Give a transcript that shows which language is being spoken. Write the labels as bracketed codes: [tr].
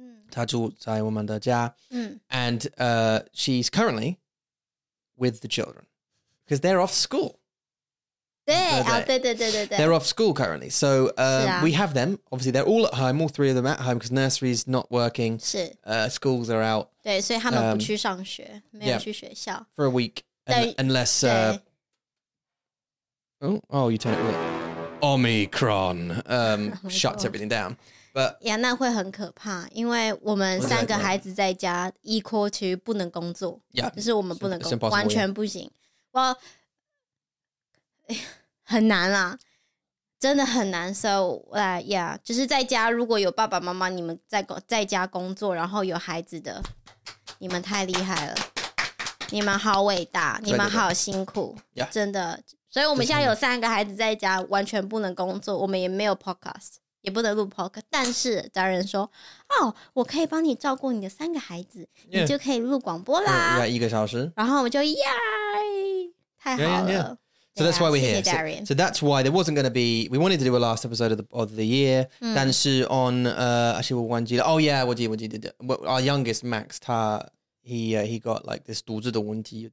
[zh] 她住在我们的家. [en] And she's currently with the children. Because they're off school. [zh] 对,对对对对对。 [en] They're off school currently. So we have them. Obviously, they're all at home, all three of them at home because nursery's not working. Schools are out. [zh] 对,所以他们不去上学,没有去学校。 [en] For a week. Unless... Oh, you turn it off. Omicron shuts everything down. But... [zh] Yeah, 那会很可怕,因为我们三个孩子在家 [en] equal to [zh] 不能工作。 [en] Yeah. [zh] 就是我们不能工作,完全不行。 [en] Well... [zh] 很难啦,真的很难, [en] so yeah, [zh] 就是在家如果有爸爸妈妈,你们在家工作, 然后有孩子的, 你们太厉害了,你们好伟大, 你们好辛苦, 真的, 所以我们现在有三个孩子在家, 完全不能工作, 我们也没有podcast, 也不能录podcast, 但是家人说, 哦,我可以帮你照顾你的三个孩子, 你就可以录广播啦, 一个小时, 然后我们就, yay, 太好了。 [en] So that's why we're here. So that's why there wasn't going to be... We wanted to do a last episode of the year. Mm. [zh] 但是 [en] on... actually, [zh] 我忘记了, [en] oh, yeah. What did our youngest, Max, 他, he got like this [zh] 肚子的问题.